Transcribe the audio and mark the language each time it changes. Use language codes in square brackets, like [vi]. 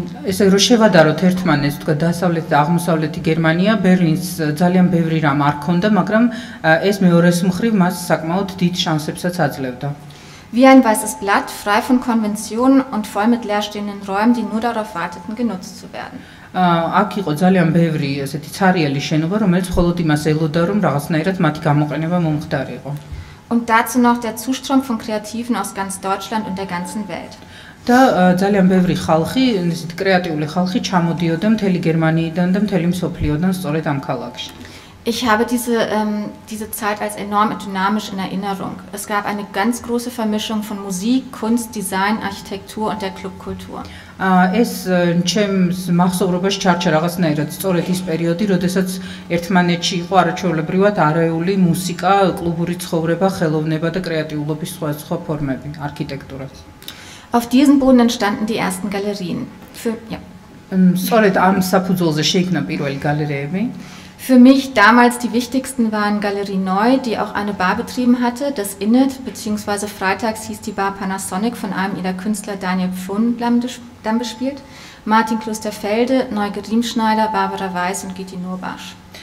[ka] Ესე რომ შევადაროთ ერთმანეთს, თქვა დასავლეთ და აღმოსავლეთი გერმანია, ბერლინს ძალიან ბევრი რამ არ ქონდა, მაგრამ ეს მეორეს მხრივ მას საკმაოდ დიდ შანსებსაც აძლევდა. [de] Wie ein weißes Blatt, frei von Konventionen und voll mit leerstehenden Räumen, die nur darauf warteten, genutzt zu werden. [ka] აქ იყო ძალიან ბევრი ესეთი ცარიელი შენობა, რომელიც მხოლოდ იმას ელოდა, რომ რაღაცნაირად მათი გამოყენება მომხდარიყო. [de] Und dazu noch der Zustrom von Kreativen aus ganz Deutschland und der ganzen Welt. [ka] Da ძალიან ბევრი ხალხი, ესეთ კრეატიული ხალხი ჩამოდიოდა მთელი გერმანიიდან და მთელი მსოფლიოდან სწორედ ამ ქალაქში. [de] Ich habe diese Zeit als enorm dynamisch in Erinnerung. Es gab eine ganz große Vermischung von Musik, Kunst, Design, Architektur und der Clubkultur. [ka] ეს ჩემს მახსოვრობას ჩარჩარაღაცნაირად სწორედ ის პერიოდი, როდესაც ერთმანეთში იყო არაჩვეულებრივად არეული მუსიკა, კლუბური ცხოვრება, ხელოვნება და კრეატიულობის სხვადასხვა ფორმები, არქიტექტურაც. [de] Auf diesen Boden entstanden die ersten Galerien. [ka] Სწორედ ამ საფუძველზე შეიქმნა პირველი გალერეები. [de] Für mich damals die wichtigsten waren Galerie Neu, die auch eine Bar betrieben hatte, das Innet, beziehungsweise freitags hieß die Bar Panasonic, von einem ihrer Künstler Daniel Pfundlam dann bespielt, Martin Klosterfelde, Neuge Riemschneider, Barbara Weiß und Gitti Nurbasch.